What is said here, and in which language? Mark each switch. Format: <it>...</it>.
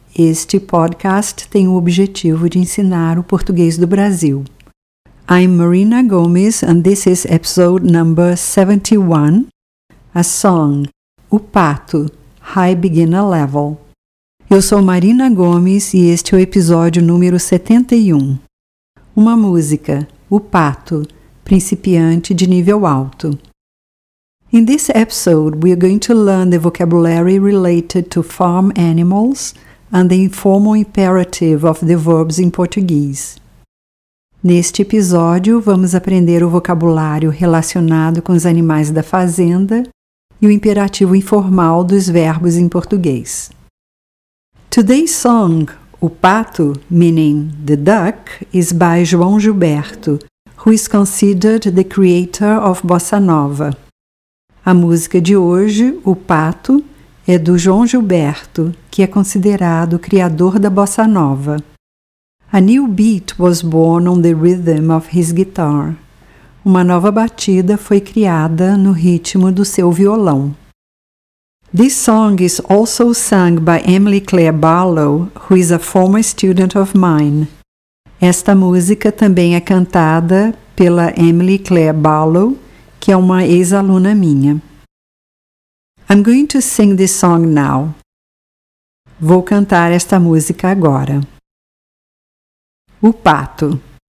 <pt>Este podcast tem o objetivo de ensinar o português do Brasil.</pt> <en>I'm Marina Gomes and this is episode number 71. A song, O Pato, High Beginner Level.</en> <pt>Eu sou Marina Gomes e este é o episódio número 71. Uma música, O Pato, principiante de nível alto.</pt> <en>In this episode, we are going to learn the vocabulary related to farm animals and the informal imperative of the verbs in Portuguese.</en> <pt>Neste episódio, vamos aprender o vocabulário relacionado com os animais da fazenda e o imperativo informal dos verbos em português.</pt> <en>Today's song, O Pato, meaning the duck, is by João Gilberto, who is considered the creator of Bossa Nova.</en> <pt>A música de hoje, O Pato, é do João Gilberto, que é considerado o criador da Bossa Nova.</pt> <en>A new beat was born on the rhythm of his guitar.</en> <pt>Uma nova batida foi criada no ritmo do seu violão.</pt> <en>This song is also sung by Emily Claire Barlow, who is a former student of mine.</en> <pt>Esta música também é cantada pela Emily Claire Barlow, que é uma ex-aluna minha.</pt> <en>I'm going to sing this song now.</en> <pt>Vou cantar esta música agora.</pt> <en>O Pato.</en>